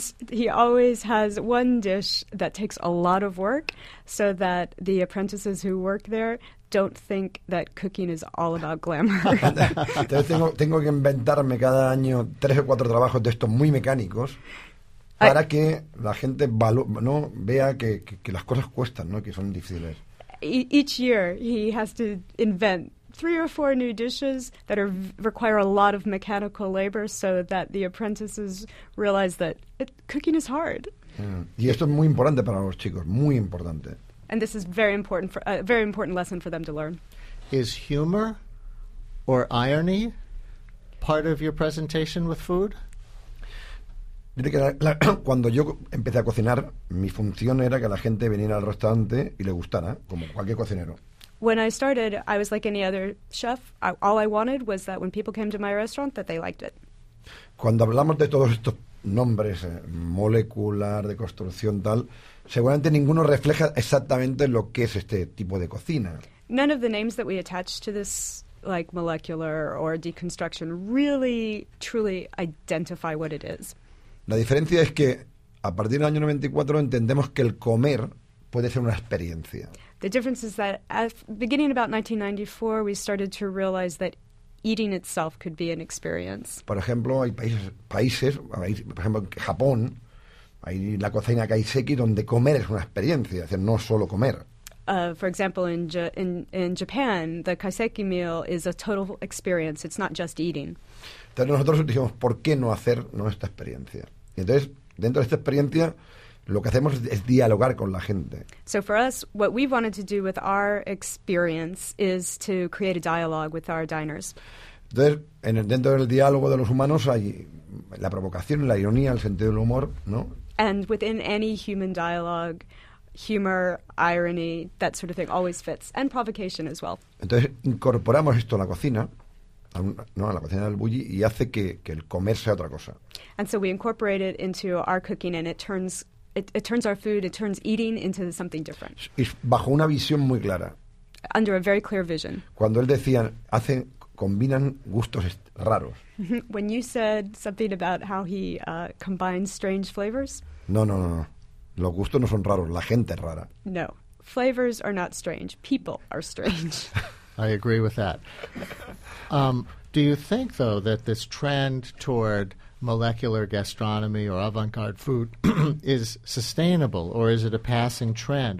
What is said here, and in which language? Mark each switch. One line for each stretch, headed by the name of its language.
English: He always has one dish that takes a lot of work so that the apprentices who work there don't think that cooking is all about glamour.
Spanish: Entonces tengo que inventarme cada año 3 o 4 trabajos de estos muy mecánicos para que la gente vea que las cosas cuestan, ¿no? Que son difíciles.
English: Each year he has to invent 3 or 4 new dishes that require a lot of mechanical labor so that the apprentices realize that cooking is hard.
Spanish: Yeah. Y esto es muy importante para los chicos, muy importante.
English: And this is a very important lesson for them to learn. Is humor or irony part of your presentation with food?
Spanish: Dice que cuando yo empecé a cocinar, mi función era que la gente viniera al restaurante y le gustara, como cualquier cocinero.
English: When I started, I was like any other chef. All I wanted was that when people came to my restaurant, that they liked it.
Spanish: Cuando hablamos de todos estos nombres, molecular, de construcción, tal, seguramente ninguno refleja exactamente lo que es este tipo de cocina.
English: None of the names that we attach to this, like molecular or deconstruction, really, truly identify what it is.
Spanish: La diferencia es que a partir del año 94 entendemos que el comer puede ser una experiencia.
English: The difference is that beginning about 1994, we started to realize that eating itself could be an experience.
Spanish: Por ejemplo, hay países, por ejemplo, en Japón, hay la cocina kaiseki donde comer es una experiencia, es decir, no solo comer.
English: For example, in Japan, the kaiseki meal is a total experience. It's not just eating.
Spanish: Entonces nosotros dijimos, ¿por qué no hacer nuestra experiencia? Y entonces, dentro de esta experiencia, lo que hacemos es dialogar con la gente.
English: So for us, what we wanted to do with our experience is to create a dialogue with our diners.
Spanish: Entonces, dentro del diálogo de los humanos hay la provocación, la ironía, el sentido del humor, ¿no?
English: And within any human dialogue, humor, irony, that sort of thing always fits, and provocation as well.
Spanish: Entonces, incorporamos esto a la cocina. ¿no? a la cocina del bulli y hace que el comer sea otra cosa.
English: And so we incorporate it into our cooking and it turns our food, it turns eating into something different.
Spanish: Y bajo una visión muy clara.
English: Under a very clear vision.
Spanish: Cuando él decía, hacen, combinan gustos raros.
English: When you said something about how he combines strange flavors.
Spanish: No. Los gustos no son raros, la gente es rara.
English: No. Flavors are not strange. People are strange. I agree with that. Do you think, though, that this trend toward molecular gastronomy or avant-garde food is sustainable, or is it a passing trend?